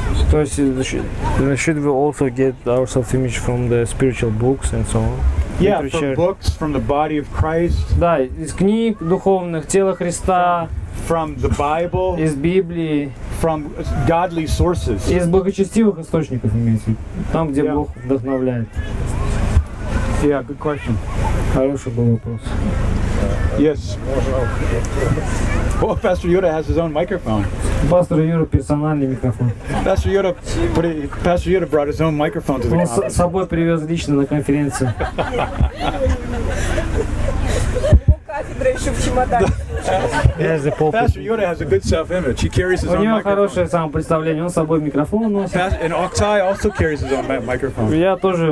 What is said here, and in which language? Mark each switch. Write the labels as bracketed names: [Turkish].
[Russian] То есть [English] should we also get our self-image from the spiritual books and so on? Yeah, literature. From books, from the body of Christ. [Russian] Да, из книг духовных, тела Христа. [English] From the Bible. [Russian] Из Библии. [English] From godly sources. [Russian] Из благочестивых источников имеется в виду. Там, где Бог вдохновляет. [English] Yeah, good question. [Russian] Хороший был вопрос. [English] Yes. Well, Pastor Yoda has his own microphone. [Russian] Pastor Yoda персональный микрофон. [English] Pastor Yoda brought his own microphone to the conference. [Russian] Он с собой привез лично на конференцию. [English] Yeah, Pastor Yoda has a good self-image. He carries his own microphone. [Russian] У него хорошее самопредставление. Он с собой микрофон носит. [English] And Octai also carries his own microphone. [Russian] Я тоже.